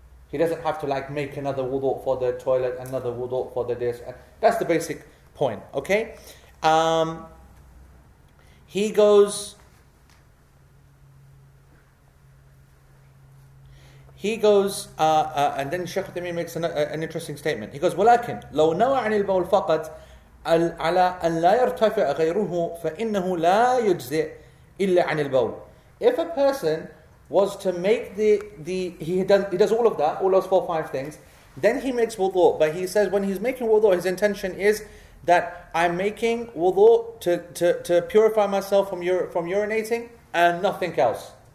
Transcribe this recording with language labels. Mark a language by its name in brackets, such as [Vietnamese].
[English] He doesn't have to like make another wudu for the toilet, another wudu for the this. That's the basic point, okay? He goes. And then Sheikh Uthaymeen makes an interesting statement. He goes, [Arabic] "ولكن لو نوى عن البول فقط على أن لا يرتفع غيره فإنه لا يجزئ إلا عن البول." [English] If a person was to make he does all of that, all those four or five things, then he makes wudu. But he says when he's making wudu, his intention is that I'm making wudu to purify myself from urinating and nothing else.